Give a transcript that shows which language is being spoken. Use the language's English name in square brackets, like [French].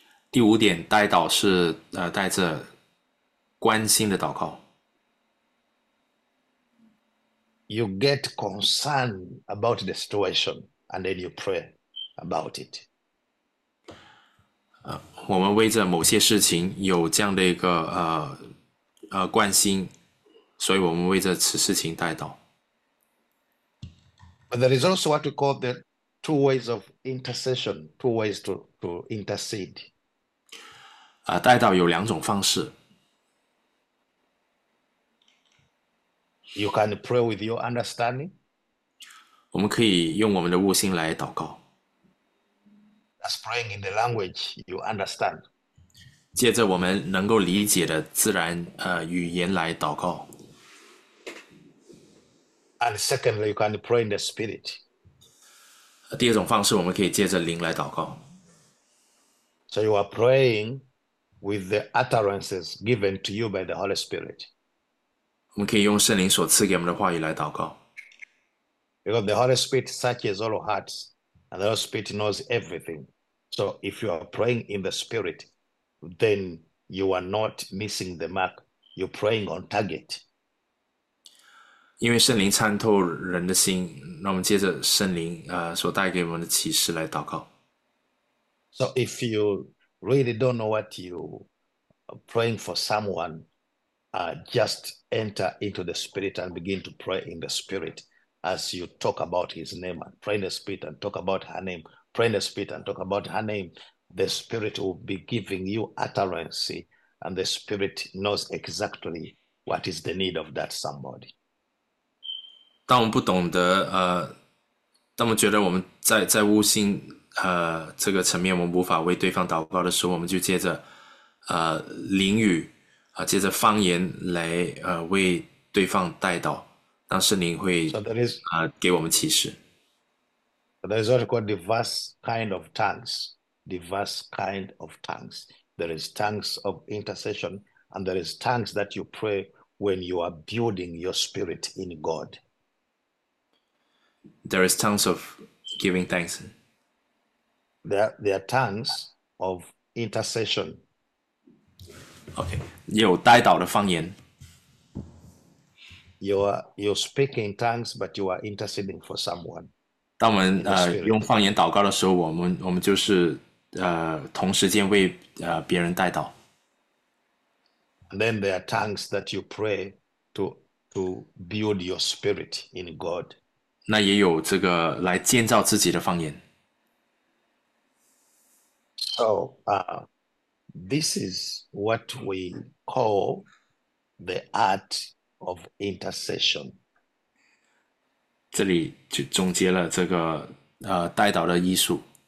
[Chinese] 第五点，带祷是带着关心的祷告。 [English] You get concerned about the situation and then you pray about it. [Chinese] 我们为着某些事情有这样的一个关心，所以我们为这此事情带到。 [English] But there is also what we call the two ways of intercession, two ways to intercede. [Chinese] 带到有两种方式。 [English] You can pray with your understanding. [Chinese] 我们可以用我们的悟性来祷告。 [English] That's praying in the language you understand. [Chinese] 借着我们能够理解的自然语言来祷告。 [English] And secondly, you can pray in the spirit. [Chinese] 第二种方式，我们可以借着灵来祷告。 [English] So you are praying with the utterances given to you by the Holy Spirit. [Chinese] 我们可以用圣灵所赐给我们的话语来祷告。 [English] Because the Holy Spirit searches all hearts, and the Holy Spirit knows everything. So if you are praying in the Spirit, then you are not missing the mark. You're praying on target. [Chinese] 因为圣灵参透人的心，那我们接着圣灵所带给我们的启示来祷告。 [English] So if you really don't know what you are praying for someone, just enter into the Spirit and begin to pray in the Spirit. As you talk about his name and pray in the Spirit and talk about her name, pray in the Spirit and talk about her name, the Spirit will be giving you utterance, see, and the Spirit knows exactly what is the need of that somebody. [Chinese] 当我们不懂得，当我们觉得我们在悟性，这个层面，我们无法为对方祷告的时候，我们就借着，灵语，借着方言来，为对方带祷，让圣灵会，给我们启示。 [English] There is what we call diverse kind of tongues. Diverse kind of tongues. There is tongues of intercession, and there is tongues that you pray when you are building your spirit in God. There is tons of giving thanks. There are tons of intercession. [Chinese] Okay, 有代祷的方言。 [English] You're speaking in tongues, but you are interceding for someone [Chinese] 当我们 [English] in the spirit. [Chinese] 用方言祷告的时候，我们就是同时间为别人代祷。 [English] And then there are tongues that you pray to build your spirit in God. [Chinese] 那也有这个来建造自己的方言。 [English] So, this is what we call the art of intercession. [Chinese] 这里就总结了这个代祷的艺术。